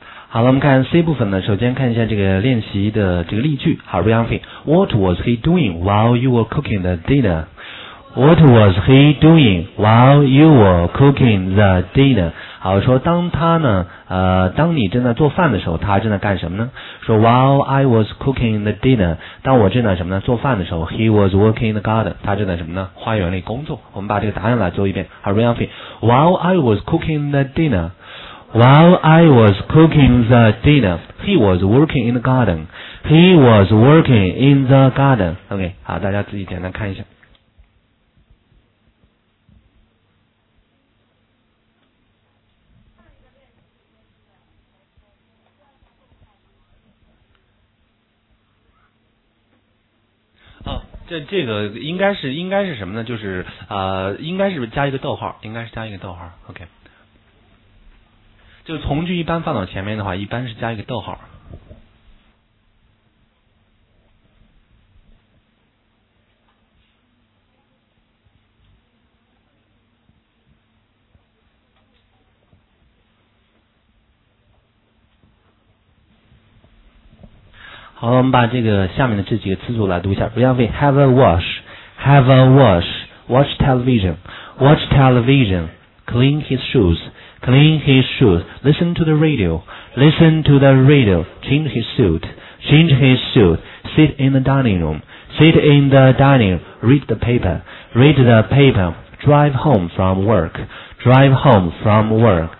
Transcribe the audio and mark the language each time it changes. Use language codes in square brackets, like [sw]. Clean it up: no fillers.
[zh] 好了，我们看 C 部分呢，首先看一下这个练习的这个例句。 [en] 好 ，Ryanfin， What was he doing while you were cooking the dinner？ What was he doing while you were cooking the dinner? [zh] 好，说当他呢，当你正在做饭的时候，他正在干什么呢？ [en] 说 while I was cooking the dinner， [zh] 当我正在什么呢？做饭的时候 [en] ，he was working in the garden， [zh] 他正在什么呢？花园里工作。我们把这个答案来做一遍。 [en] 好 ，Ryanfin， while I was cooking the dinner， while I was cooking the dinner， he was working in the garden， he was working in the garden。 [zh] OK， 好，大家自己简单看一下。这个应该是什么呢？就是应该是加一个逗号，应该是加一个逗号。 OK， 就从句一般放到前面的话，一般是加一个逗号。好了，我们把这个下面的这几个词组来读一下。 [en] Ryanfin， have a wash， have a wash， watch television， watch television， clean his shoes， clean his shoes， listen to the radio， listen to the radio， change his suit， change his suit， sit in the dining room， sit in the dining room， read the paper， read the paper， drive home from work， drive home from work。